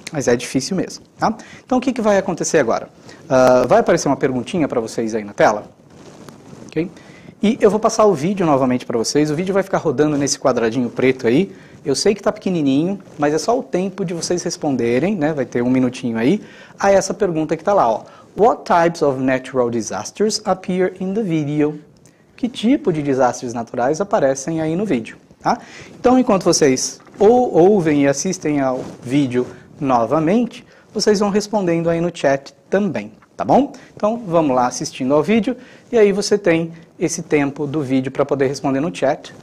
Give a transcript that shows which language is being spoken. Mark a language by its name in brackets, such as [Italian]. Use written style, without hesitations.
[Portuguese] Mas é difícil mesmo, tá? Então, o que vai acontecer agora? Vai aparecer uma perguntinha para vocês aí na tela, ok? E eu vou passar o vídeo novamente para vocês, o vídeo vai ficar rodando nesse quadradinho preto aí. Eu sei que está pequenininho, mas é só o tempo de vocês responderem, né? Vai ter um minutinho aí, a essa pergunta que está lá, ó. [English] What types of natural disasters appear in the video? [Portuguese] Que tipo de desastres naturais aparecem aí no vídeo, tá? Então, enquanto vocês ou ouvem e assistem ao vídeo novamente, vocês vão respondendo aí no chat também, tá bom? Então, vamos lá assistindo ao vídeo, e aí você tem esse tempo do vídeo para poder responder no chat.